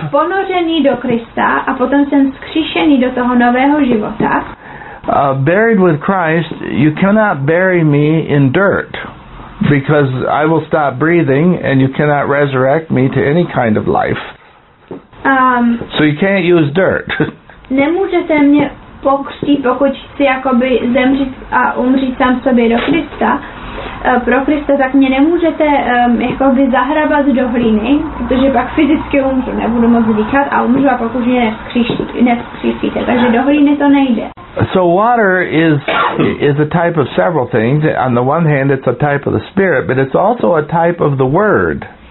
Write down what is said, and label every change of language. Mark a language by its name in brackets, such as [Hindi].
[Czech] ponořený do Krista a potom jsem vzkříšený do toho nového života. [English] Buried with Christ, you cannot bury me in dirt because I will stop breathing and you cannot resurrect me to any kind of life. So you can't use dirt. [Czech] Nemůžete mě pokřtít, pokud chci jakoby zemřít a umřít sám sobě do Krista, pro Krista, tak mě nemůžete jakoby zahrabat do hlíny, protože pak fyzicky umřu, nebudu moc dýchat a umřu a pokud mě nevzkříšíte, takže do hlíny to nejde. [English] So water is a type of several things. On the one hand, it's a type of the Spirit, but it's also a type of the Word.